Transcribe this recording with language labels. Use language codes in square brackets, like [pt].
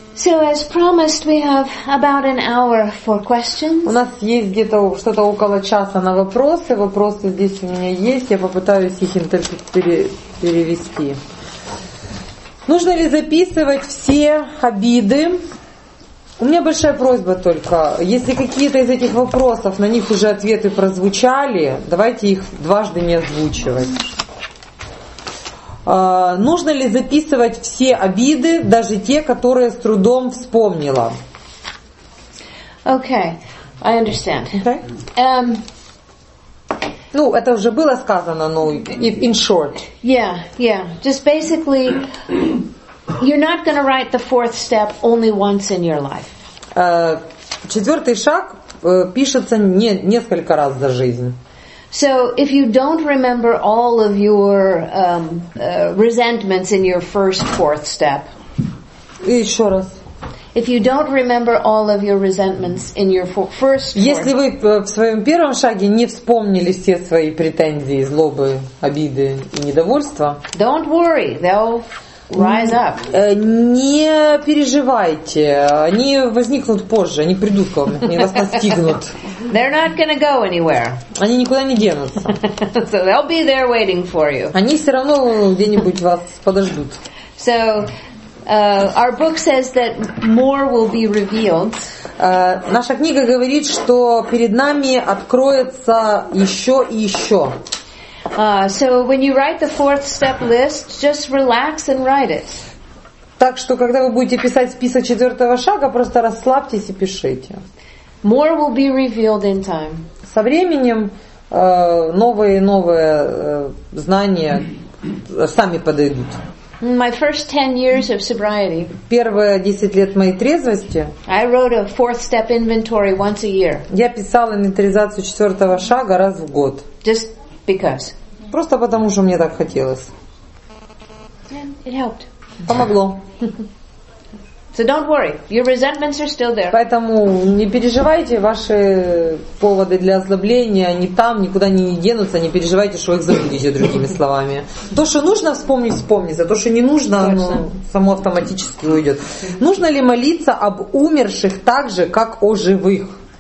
[en] So as promised, we have about an hour for questions. [ru] У нас есть где-то что-то около часа на вопросы. Вопросы здесь у меня есть. Я попытаюсь их перевести. Нужно ли записывать все обиды? У меня большая просьба только. Если какие-то из этих вопросов, на них уже ответы прозвучали, давайте их дважды не озвучивать. Нужно ли записывать все обиды, даже те, которые с трудом вспомнила? [en] Okay, I understand. [ru] Okay. Ну, это уже было сказано, но [en] in short. Yeah, yeah. Just basically, you're not going to write the fourth step only once in your life. [ru] Четвертый шаг пишется не несколько раз за жизнь. [en] So if you don't remember all of your resentments in your first fourth step. [ru] Ещё раз. [en] If you don't remember all of your resentments in your first fourth. [ru] Если вы в своём первом шаге не вспомнили все свои претензии, злобы, обиды и недовольства. [en] Don't worry, they'll rise up. [ru] Не переживайте, они возникнут позже, они придут к вам, они вас настигнут. [en] They're not going to go anywhere. [ru] Они никуда не денутся. [en] So they'll be there waiting for you. [ru] Они все равно где-нибудь вас подождут. [en] So our book says that more will be revealed. [ru] Наша книга говорит, что перед нами откроется еще и еще. [en] So when you write the fourth step list, just relax and write it. [ru] Так что когда вы будете писать список четвертого шага, просто расслабьтесь и пишите. [en] More will be revealed in time. [ru] Со временем новые и новые знания сами подойдут. [en] My first 10 years of sobriety. [ru] Первые 10 лет моей трезвости. [en] I wrote a fourth step inventory once a year. [ru] Я писала инвентаризацию четвертого шага раз в год. [en] Just because. [ru] Просто потому, что мне так хотелось. [en] Yeah, it helped. [ru] Помогло. [en] So don't worry, your resentments are still there. [ru] Поэтому не переживайте, ваши поводы для озлобления, они там, никуда не денутся, не переживайте, что вы их забудете, другими словами. То, что нужно вспомнить, вспомнится, то, что не нужно, оно само автоматически уйдет. Нужно ли молиться об умерших так же, как о живых?